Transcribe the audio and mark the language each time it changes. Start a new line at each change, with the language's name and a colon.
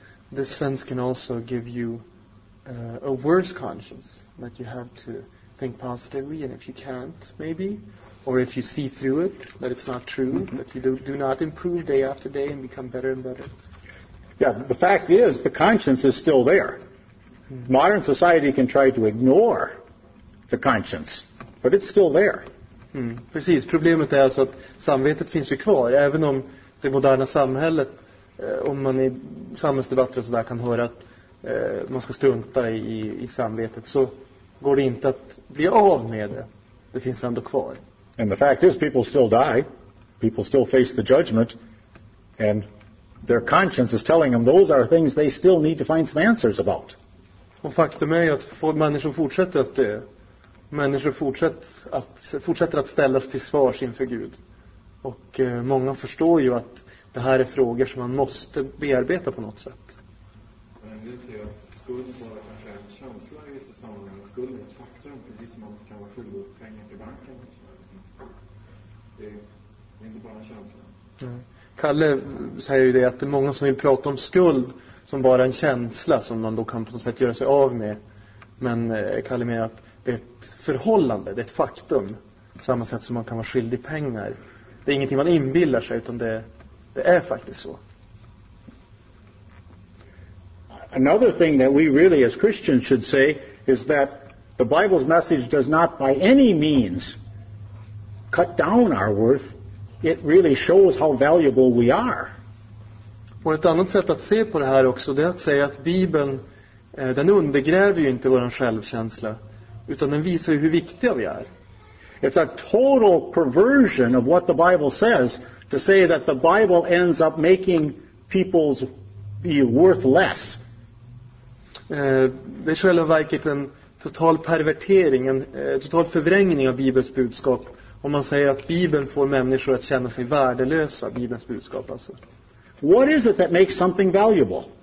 English: The sense can also give you a worse conscience, that you have to think positively, and if you can't, maybe, or if you see through it, that it's not true, that you do not improve day after day and become better and better. Yeah, the fact is, the conscience is still there. Modern society can try to ignore the conscience, but it's still there.
Swedish: Precis, problemet är alltså att samvetet finns ju kvar, även om det moderna samhället, om man i samhällsdebatter och sådär kan höra att man ska strunta i samvetet, så går det inte att bli av med det. Det finns ändå kvar.
English: And the fact is, people still die. People still face the judgment. And their conscience is telling them those are things they still need to find some answers about.
Swedish: Och faktum är att människor fortsätter att dö. Människor fortsätter att ställas till svars inför Gud. Och många förstår ju att det här är frågor som man måste bearbeta på något sätt. Men vi ser att skuld bara kanske är en känsla i vissa sammanhang. Skuld är ett faktum, precis som att man kan vara skyldig på pengar till banken. Det är inte bara en känsla. Kalle säger ju det, att det är många som vill prata om skuld som bara en känsla som man då kan på något sätt göra sig av med. Men Kalle menar att det är ett förhållande, det är ett faktum. På samma sätt som man kan vara skyldig pengar. Det är ingenting man inbillar sig, utan det är faktiskt så.
English: Another thing that we really as Christians should say is that the Bible's message does not by any means cut down our worth. It really shows how valuable we are.
Swedish: Och ett annat sätt att se på det här också, det är att säga att Bibeln, den undergräver ju inte vår självkänsla, utan den visar ju hur viktiga vi är.
English: It's a total perversion of what the Bible says to say that the Bible ends up making people's be worth less.
Swedish: Det är själva verket en total pervertering, en total förvrängning av Bibels budskap om man säger att Bibeln får människor att känna sig värdelösa, Bibelns budskap alltså.
English: What is it that makes something valuable?